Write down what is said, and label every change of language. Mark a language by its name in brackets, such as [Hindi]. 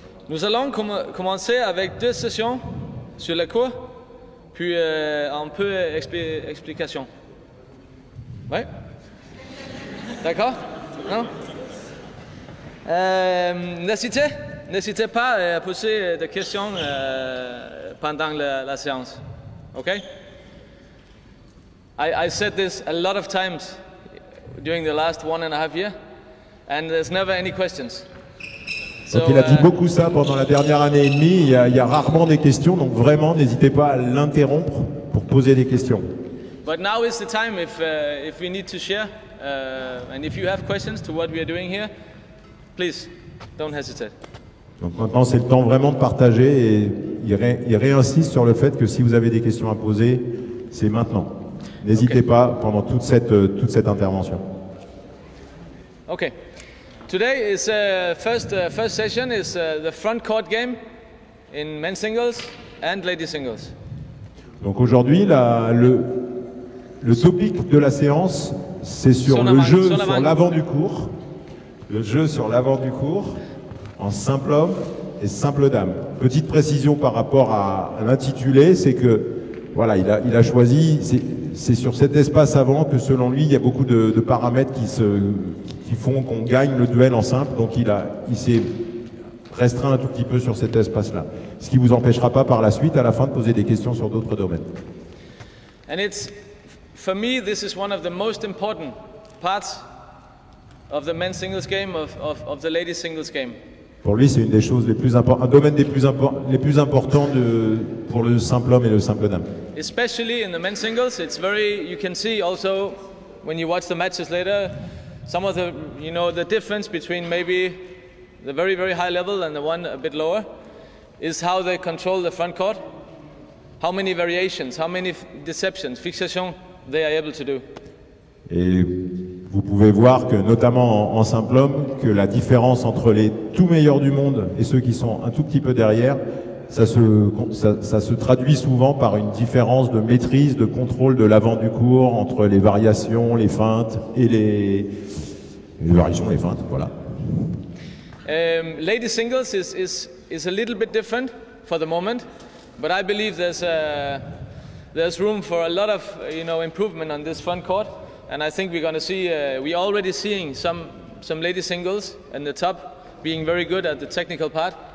[French] Nous allons commencer avec 2 sessions sur la cour, puis un peu d'explication. Ouais. D'accord. Non. N'hésitez pas à poser des questions pendant la séance. Okay. [English] I said this a lot of times during the last 1.5 years, and there's never any questions. [French] Donc il a dit beaucoup ça pendant la dernière année et demie. Il y a rarement des questions, donc vraiment n'hésitez pas à l'interrompre pour poser des questions. [English] But now is the time if we need to share and if you have questions to what we are doing here, please don't hesitate. [French] Donc maintenant c'est le temps vraiment de partager et il réinsiste sur le fait que si vous avez des questions à poser, c'est maintenant. N'hésitez pas pendant toute cette intervention. Okay. [English] Today is first session is the front court game in men's singles and ladies singles. [French] Donc aujourd'hui le topic de la séance c'est sur l'avant du court en simple homme et simple dame. Petite précision par rapport à l'intitulé, c'est que voilà, il a choisi, c'est sur cet espace avant que selon lui il y a beaucoup de paramètres qui font qu'on gagne le duel en simple, donc il s'est restreint un tout petit peu sur cet espace-là. Ce qui ne vous empêchera pas par la suite, à la fin, de poser des questions sur d'autres domaines. [English] And it's, for me, this is one of the most important parts of the men's singles game, of the ladies' singles game. [French] Pour lui, c'est une des choses les plus importantes, un domaine les plus importants pour le simple homme et le simple dame. [English] Especially in the men's singles, it's very, you can see also when you watch the matches later, some of the, you know, the difference between maybe the very very high level and the one a bit lower is how they control the front court, how many variations, how many deceptions, fixations they are able to do. [French] Et vous pouvez voir que notamment en simple homme, que la différence entre les tout meilleurs du monde et ceux qui sont un tout petit peu derrière, ça se traduit souvent par une différence de maîtrise, de contrôle de l'avant du court entre les variations, les feintes et les variations, les feintes, voilà. [English] Lady singles is a little bit different for the moment, but I believe there's room for a lot of, you know, improvement on this front court. And I think we're going to see, we're already seeing some lady singles in the top being very good at the technical part.